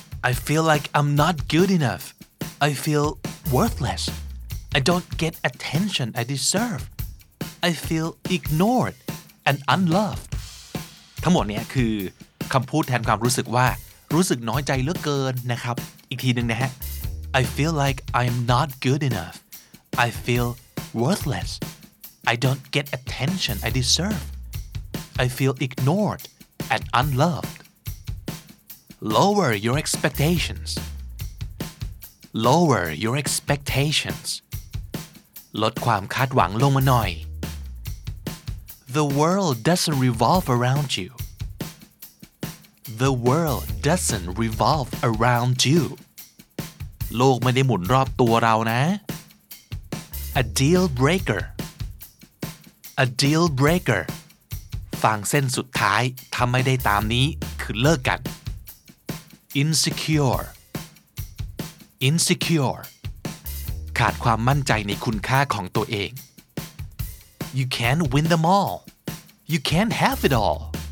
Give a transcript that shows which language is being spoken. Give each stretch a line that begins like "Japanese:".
English: I feel like I'm not good enough I feel worthless I don't get attention I deserve I feel ignored and unloved
Thai: ทั้งหมดเนี้ยคือคำพูดแทนความรู้สึกว่ารู้สึกน้อยใจเหลือเกินนะครับอีกทีนึงนะฮะ
English: I feel like I'm not good enough I feel worthlessI don't get attention I deserve. I feel ignored and unloved. Lower your expectations. Lower your expectations.
Thai: ลดความคาดหวังลงมาหน่อย.
English: The world doesn't revolve around you. The world doesn't revolve around you.
Thai: โลกไม่ได้หมุนรอบตัวเรานะ.
English: A deal breaker. A deal breaker
Thai: ฟังเส้นสุดท้ายถ้าไม่ได้ตามนี้คือเลิกกัน
English: Insecure Insecure
Thai: ขาดความมั่นใจในคุณค่าของตัวเอง
English: You can't win them all You can't have it all